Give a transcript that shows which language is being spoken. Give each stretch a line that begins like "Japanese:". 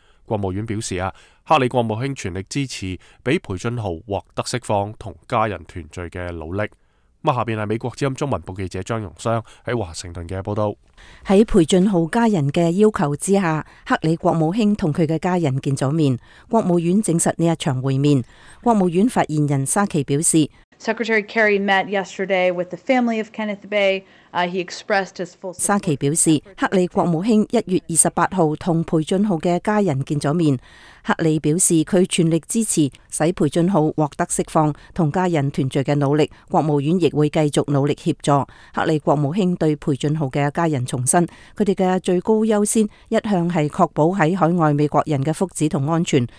Chinese: 国务院表示，克里国务卿全力支持被裴俊豪获得释放和家人团聚的努力。下面是美国之音中文部记者张容湘在华盛顿的报道。在裴俊豪家人的要求之下，克里国务卿和他的家人见了面，国务院证实这一场会面。国务院发言人沙奇表示，
English: Secretary Kerry met yesterday with the family of Kenneth Bay. He expressed his full.
Chinese: 沙奇表示，克里国务卿1月28号和裴俊豪的家人见了面。克里表示他全力支持使裴俊豪获得释放和家人团聚的努力，国务院亦会继续努力协助。克里国务卿对裴俊豪的家人重申，他们的最高优先一向是确保在海外美国人的福祉和安全。